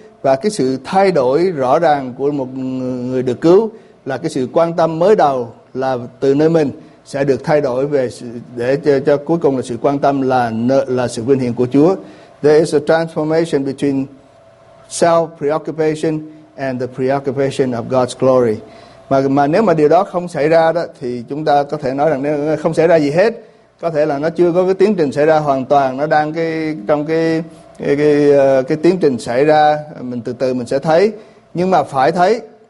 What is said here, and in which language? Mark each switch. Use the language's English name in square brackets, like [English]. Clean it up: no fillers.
[Vietnamese] Và cái sự thay đổi rõ ràng của một người được cứu là cái sự quan tâm mới đầu là từ nơi mình sẽ được thay đổi về để cho cuối cùng là sự quan tâm là sự vinh hiển của Chúa. [English] There is a transformation between self preoccupation and the preoccupation of God's glory. [Vietnamese] Mà nếu mà điều đó không xảy ra đó, thì chúng ta có thể nói rằng nếu không xảy ra gì hết, có thể là nó chưa có cái tiến trình xảy ra hoàn toàn, nó đang trong cái tiến trình xảy ra, mình từ từ mình sẽ thấy, nhưng mà phải thấy.